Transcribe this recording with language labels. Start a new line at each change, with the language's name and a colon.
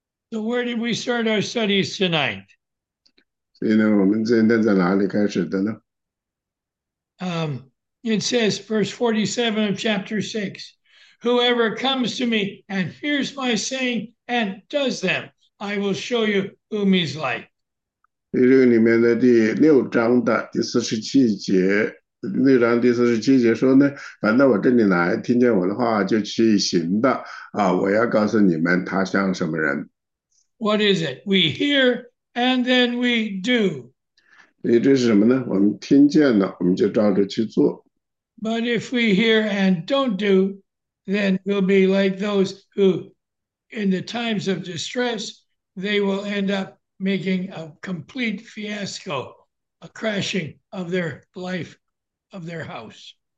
English: So where did we start our studies tonight?
Chinese: 所以呢，我们今天在哪里开始的呢？
English: It says, verse 47 of chapter 6, whoever comes to me and hears my saying and does them, I will show you whom he's like.
Chinese: 这个里面的第六章的第47节，六章第47节说呢，凡到我这里来，听见我的话，就去行的，啊，我要告诉你们，他像什么人。
English: What is it? We hear and then we do.
Chinese: 所以这是什么呢？我们听见了，我们就照着去做。
English: But if we hear and don't do, then we'll be like those who, in the times of distress, they will end up making a complete fiasco, a crashing of their life, of their house.